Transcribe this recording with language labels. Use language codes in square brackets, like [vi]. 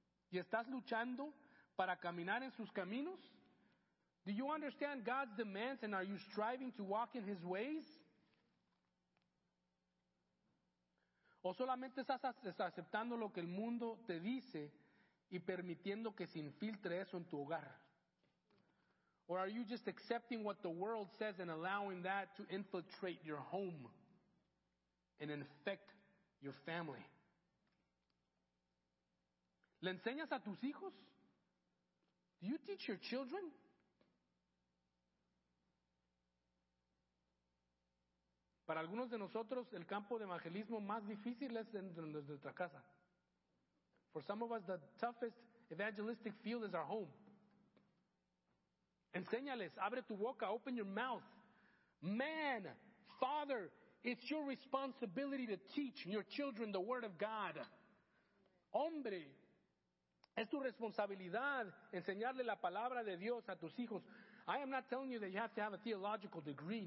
[es] ¿Y estás luchando para caminar en sus caminos? [en] Do you understand God's demands and are you striving to walk in His ways? [es] ¿O solamente estás aceptando lo que el mundo te dice y permitiendo que se infiltre eso en tu hogar? [en] Or are you just accepting what the world says and allowing that to infiltrate your home and infect your family? [es] ¿Le enseñas a tus hijos? [en] Do you teach your children? [es] Para algunos de nosotros, el campo de evangelismo más difícil es dentro de nuestra casa. [en] For some of us, the toughest evangelistic field is our home. [es] Enséñales, abre tu boca, [en] open your mouth. Man, father, it's your responsibility to teach your children the word of God. [es] Hombre, es tu responsabilidad enseñarle la palabra de Dios a tus hijos. [en] I am not telling you that you have to have a theological degree.